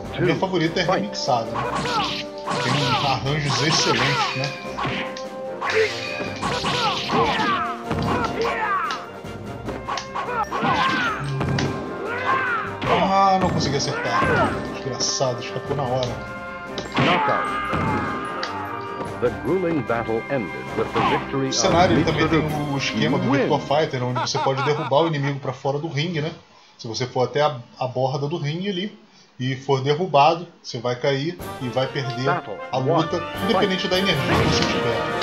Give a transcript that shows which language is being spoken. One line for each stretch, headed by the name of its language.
Portuguese: A minha favorita é remixada, né? Tem arranjos excelentes, né? Ah, não consegui acertar. Desgraçado, escapou na hora.
English: The grueling battle ended with the victory.
Portuguese: O cenário também tem o esquema do Virtua Fighter, onde você pode derrubar o inimigo para fora do ringue, né? Se você for até a borda do ringue ali e for derrubado, você vai cair e vai perder a luta, independente da energia que você tiver.